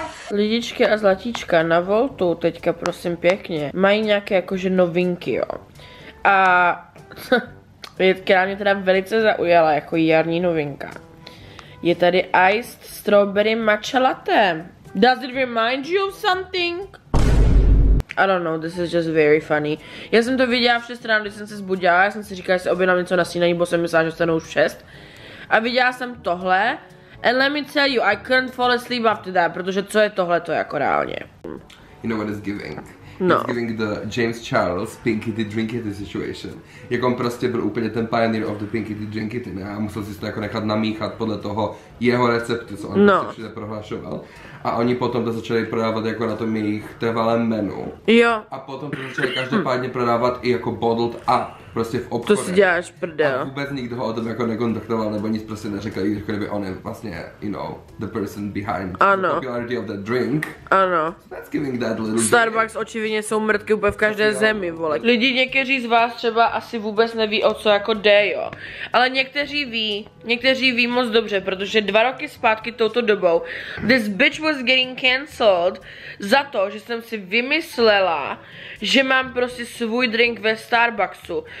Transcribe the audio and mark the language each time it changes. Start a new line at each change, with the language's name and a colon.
Czech: Lidičky a zlatíčka na Voltu teďka prosím pěkně mají nějaké jakože novinky, jo. A která mě teda velice zaujala jako jarní novinka. Je tady iced strawberry matcha latte.
English: Does it remind you of something? I don't know, this is just very funny.
Czech: Já jsem to viděla v 6 ráno, když jsem se zbudila, já jsem si říkala, že se objednám něco na snídaní, bo jsem myslela, že stanu už v 6. A viděla jsem tohle.
English: And let me tell you, I couldn't fall asleep after that,
Czech: protože co je tohleto jako reálně?
English: You know what it's giving? No. It's giving the James Charles Pinkity Drinkity situation.
Czech: Jak on prostě byl úplně ten
English: pioneer of the Pinkity Drinkity,
Czech: ne? A musel si to jako nechat namíchat podle toho jeho receptu, co on no. Prostě všude prohlášoval. A oni potom to začali prodávat jako na tom jejich trvalém menu. Jo. A potom to začali každopádně prodávat i jako
English: bottled up.
Czech: Prostě v obchodě. To si děláš prdel. A vůbec nikdo ho o tom jako nekontaktoval nebo nic prostě neřekl, i když on je vlastně,
English: you know, the person behind
Czech: ano.
English: The popularity of that drink.
Czech: Ano.
English: That's giving that little
Czech: Starbucks očividně jsou mrtky úplně v každé zemi, vole. Lidi, někteří z vás třeba asi vůbec neví, o co jako jde, jo. Ale někteří ví moc dobře, protože 2 roky zpátky touto dobou
English: this bitch was getting cancelled
Czech: za to, že jsem si vymyslela, že mám prostě svůj drink ve Starbucksu.